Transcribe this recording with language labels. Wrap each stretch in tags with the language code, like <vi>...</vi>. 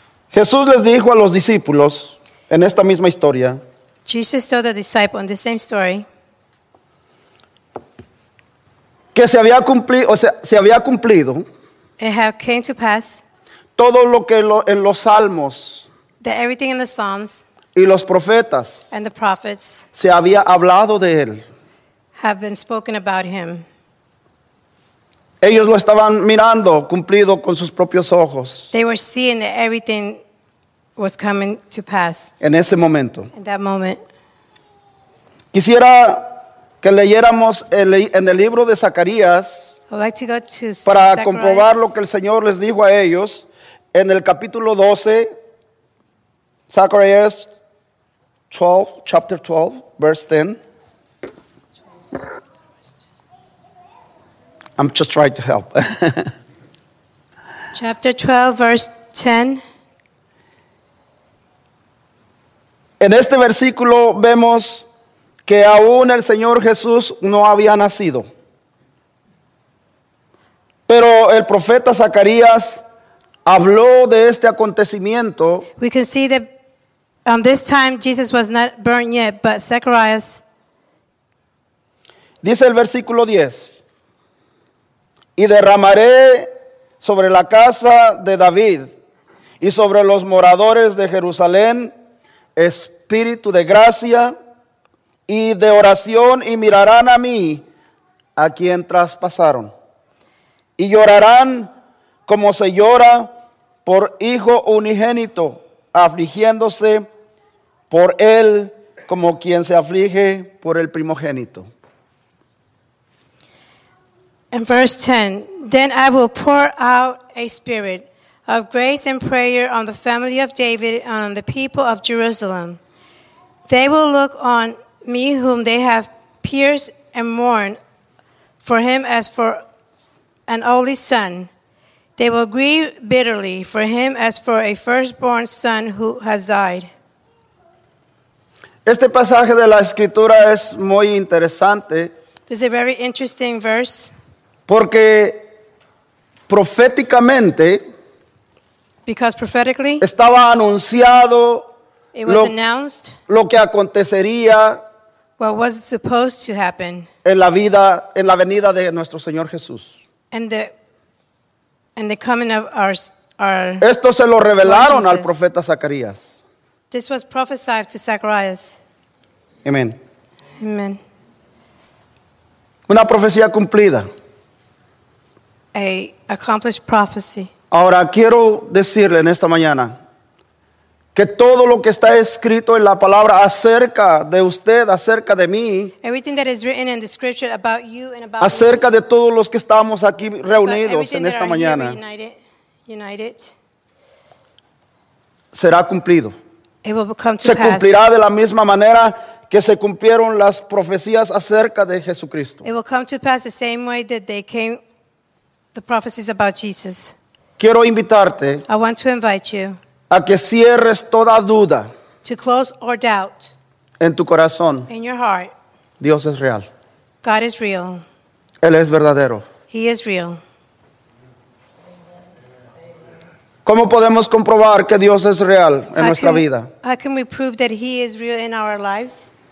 <es>Jesús les dijo a los discípulos en esta misma historia.</es> <en>Jesus told the disciple in the same story.</en> <es>Que se había cumplido, o sea, se había cumplido.</es> <en>It had came to pass.</en> <es>Todo lo que en los salmos.</es> <en>That everything in the Psalms.</en> <es>Y los profetas.</es> <en>And the prophets.</en> <es>Se había hablado de él.</es> <en>Have been spoken about him.</en> <es>Ellos lo estaban mirando cumplido con sus propios ojos.</es> <en>They were seeing that everything was coming to pass.</en> <es>En ese momento.</es> <en>In that moment.</en> <es>Quisiera que leyéramos en el libro de Zacarías.</es> <en>I'd like to go to</en> <es>para comprobar lo que el Señor les dijo a ellos en el capítulo 12.</es> <en>Zacarías 12, chapter 12, verse 10. I'm just trying to help. Chapter 12, verse</en> <es>10. En este versículo vemos que aún el Señor Jesús no había nacido. Pero el profeta Zacarías habló de este acontecimiento.</es> <en>We can see that on this time Jesus was not born yet, but Zacharias.</en> <es>Dice el versículo 10. Y derramaré sobre la casa de David y sobre los moradores de Jerusalén espíritu de gracia y de oración, y mirarán a mí, a quien traspasaron, y llorarán como se llora por hijo unigénito, afligiéndose por él como quien se aflige por el primogénito.</es> <en>In verse 10, then I will pour out a spirit of grace and prayer on the family of David and on the people of Jerusalem. They will look on me whom they have pierced and mourn for him as for an only son. They will grieve bitterly for him as for a firstborn son who has died.</en> <es>Este pasaje de la escritura es muy interesante.</es> <en>This is a very interesting verse.</en> <es>Porque proféticamente,</es> <en>because prophetically,</en> <es>estaba anunciado,</es> <en>it was announced,</en> <es>lo que acontecería,</es> <en>what was supposed to happen,</en> <es>en la vida, en la venida de nuestro Señor Jesús.</es> <en>And the coming of our</en> <es>esto se lo revelaron al profeta Zacarías.</es> <en>This was prophesied to Zacharias. Amen. Amen.</en> <es>Una profecía cumplida.</es> <en>A accomplished prophecy.</en> <es>Ahora quiero decirle en esta mañana que todo lo que está escrito en la palabra acerca de usted, acerca de mí,</es> <en>everything that is written in the scripture about you and about</en> <es>acerca</es> <en>me,</en> <es>de todos los que estamos aquí reunidos en esta mañana,</es> <en>united,</en> <es>será cumplido.</es> <en>It will come to</en> <es>se</es> <en>pass.</en> <es>Cumplirá de la misma manera que se cumplieron las profecías acerca de Jesucristo.</es> <en>It will come to pass the same way that they came. The prophecies about Jesus.</en> <es>Quiero invitarte.</es> <en>I want to invite you.</en> <es>A que cierres toda duda.</es> <en>To close or doubt.</en> <es>En tu corazón.</es> <en>In your heart.</en> <es>Dios es real.</es> <en>God is real.</en> <es>Él es verdadero.</es> <en>He is real.</en> <es>¿Cómo podemos comprobar que Dios es real en nuestra vida?</es> <en>How can we prove that He is real in our lives?</en>